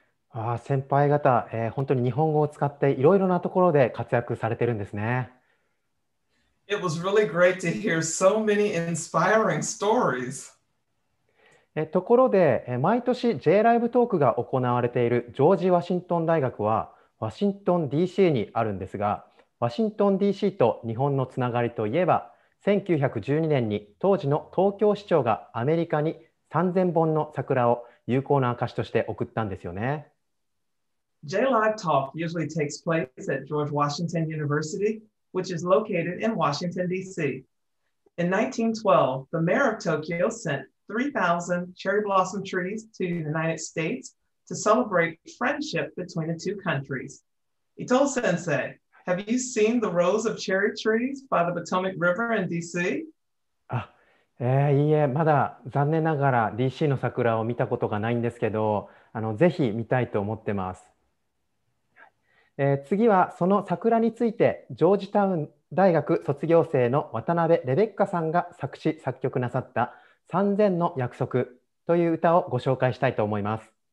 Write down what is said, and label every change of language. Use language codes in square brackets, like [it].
[ja] ああ、先輩方、本当に日本語を使っていろいろなところで活躍されてるんですね。 [en] It was really great to hear so many inspiring stories. [ja] ところで、毎年 J ライブトークが行われているジョージ・ワシントン大学はワシントン DC にあるんですが、ワシントン DC と日本のつながりといえば、1912年に当時の東京市長がアメリカに3000本の桜を友好の証として送ったんですよね。 [en] J Live Talk usually takes place at George Washington University, which is located in Washington, D.C. In 1912, the mayor of Tokyo sent 3,000 cherry blossom trees to the United States to celebrate friendship between the two countries. Ito Sensei, have you seen the rows of cherry trees by the Potomac River in D.C.? [ja] いいえ、まだ残念ながら DC の桜を見たことがないんですけど、ぜひ見たいと思ってます。次はその桜について、ジョージタウン大学卒業生の渡辺レベッカさんが作詞作曲なさった3000の約束という歌をご紹介したいと思います。